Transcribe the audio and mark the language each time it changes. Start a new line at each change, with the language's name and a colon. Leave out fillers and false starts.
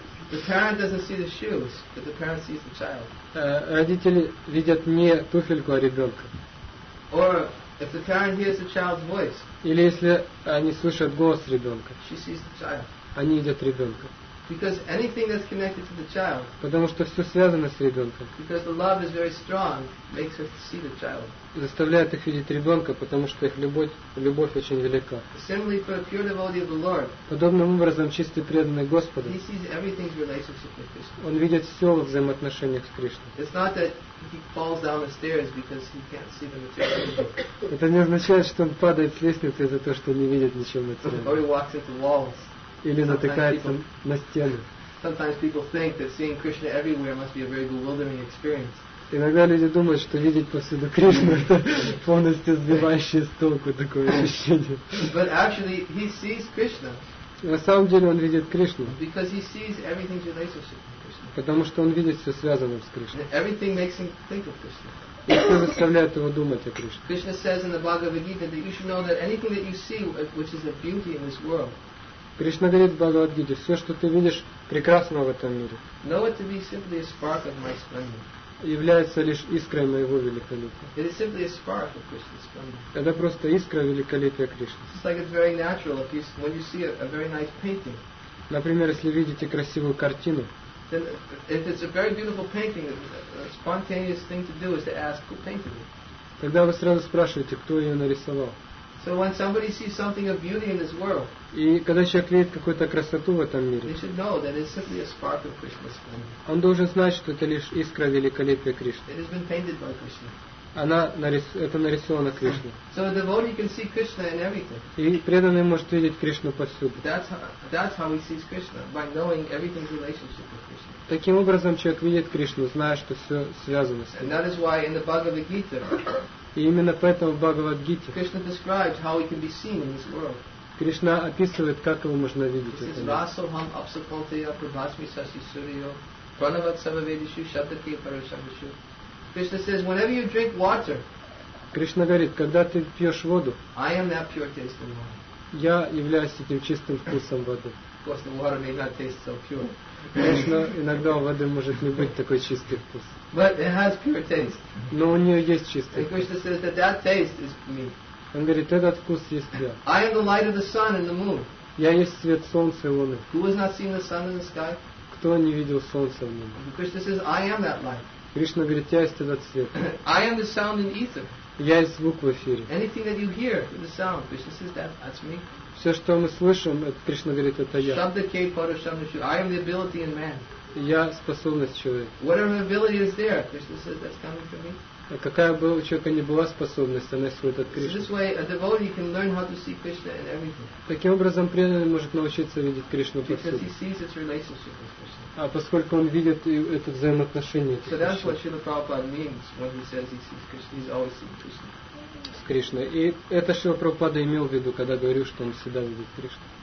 English: The parent doesn't see the shoes, but the parent sees the child.
Russian: Родители видят не туфельку, а ребенка.
English: Or if the parent hears the child's voice.
Russian: Или если они слышат голос ребенка.
English: She sees the child.
Russian: Они видят ребенка.
English: Because anything that's connected to the child.
Russian: Потому что все связано с ребенком.
English: Because the love is very strong, makes us see the child.
Russian: Заставляет их видеть ребенка, потому что их любовь очень велика.
English: Similarly, for a pure devotee of the Lord.
Russian: Подобным образом чистый преданный Господу.
English: He sees everything's relationship with Krishna.
Russian: Он видит все в взаимоотношениях с Кришной.
English: It's not that he falls down the stairs because he can't see the material.
Russian: Это не означает, что он падает с лестницы из-за того, что не видит ничего материального.
English: Or he walks into walls.
Russian: Или натыкается на стены.
English: Sometimes people think that seeing Krishna everywhere must be a very bewildering experience.
Russian: Иногда люди думают, что видеть повсюду Кришну это полностью сбивающее с толку такое ощущение.
English: But actually he sees Krishna.
Russian: На самом деле он видит Кришну.
English: Because he sees everything relates to Krishna.
Russian: Потому что он видит все связанное с Кришной.
English: And everything makes him think of Krishna.
Russian: И это заставляет его думать о Кришне.
English: Krishna says in the Bhagavad Gita that you should know that anything that you see which is a beauty in this world.
Russian: Кришна говорит в Бхагавад-гите, все, что ты видишь, прекрасно в этом мире.
English: Know it to be simply a spark of my splendor.
Russian: Является лишь искрой моего великолепия.
English: It is simply a spark of Krishna's splendor.
Russian: Это просто искра великолепия Кришны.
English: It's like it's very natural if you, when you see a very nice painting.
Russian: Например, если видите красивую картину.
English: Then if it's a very beautiful painting, a spontaneous thing to do is to ask who painted it.
Russian: Тогда вы сразу спрашиваете, кто ее нарисовал.
English: So when somebody sees something of beauty in this world,
Russian: и когда человек видит какую-то красоту в этом мире,
English: they should know that it's simply a spark of Krishna's splendor.
Russian: Он должен знать, что это лишь искра великолепия Кришны.
English: It has been painted by Krishna.
Russian: Это нарисовано Кришной.
English: So a devotee can see Krishna in everything.
Russian: И преданный может видеть Кришну повсюду.
English: That's how he sees Krishna, by knowing everything's relationship with Krishna.
Russian: Таким образом человек видит Кришну, зная, что все связано с ним.
English: And that is why in the Bhagavad Gita.
Russian: И именно поэтому в Бхагавад-гите
English: Krishna describes how he can be seen in this world.
Russian: Кришна описывает, как его можно видеть.
Sanskrit: This is Rasoham Apsapantaya Prabhasmi Sashi Suryo Pranavat Samavedishu, Shatakiya Parashamishu.
English: Krishna says, whenever you drink water,
Russian: Кришна говорит, когда ты пьешь воду,
English: I am that pure taste of water.
Russian: Я являюсь этим чистым вкусом воды.
English: Because the water may not taste so pure.
Russian: Конечно, иногда у воды может не быть такой чистый вкус.
English: But it has pure taste.
Russian: Но у нее есть чистый вкус.
English: Krishna says that that taste is me.
Russian: Он говорит, этот вкус есть я.
English: I am the light of the sun and the moon.
Russian: Я есть свет солнца и луны.
English: Who has not seen the sun in the sky?
Russian: Кто не видел солнца в небе?
English: Krishna says, I am that light.
Russian: Кришна говорит, я есть этот свет.
English: I am the sound in ether.
Russian: Я есть звук в эфире.
English: Anything that you hear, the sound, Krishna says that, that's me.
Russian: Все, что мы слышим, Кришна говорит, это я.
Sanskrit: Shabdakay Parashamashu.
English: I am the ability in man.
Russian: Я способность человека.
English: Whatever ability is there, Krishna says that's coming from me.
Russian: А какая бы у человека ни была способность, она исходит от Кришны.
English: So this way a devotee can learn how to see Krishna in everything.
Russian: Таким образом, преданный может научиться видеть Кришну повсюду.
English: Because he sees its relationship with Krishna.
Russian: А поскольку он видит это взаимоотношение с Кришной. С Кришной. И это Шрила Прабхупада имел в виду, когда говорил, что он всегда видит Кришну.